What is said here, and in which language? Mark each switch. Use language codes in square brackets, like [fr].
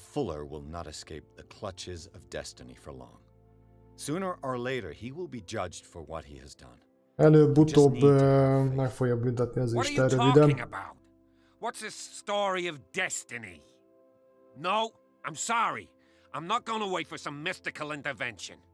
[en] Fuller will not escape the clutches of destiny for long. Sooner or later he will be judged for what he has done. [hu] Előbb-utóbb meg fogja büntetni az Isten röviden. [en] What's this story of destiny? No, I'm sorry. I'm not gonna wait for some mystical intervention.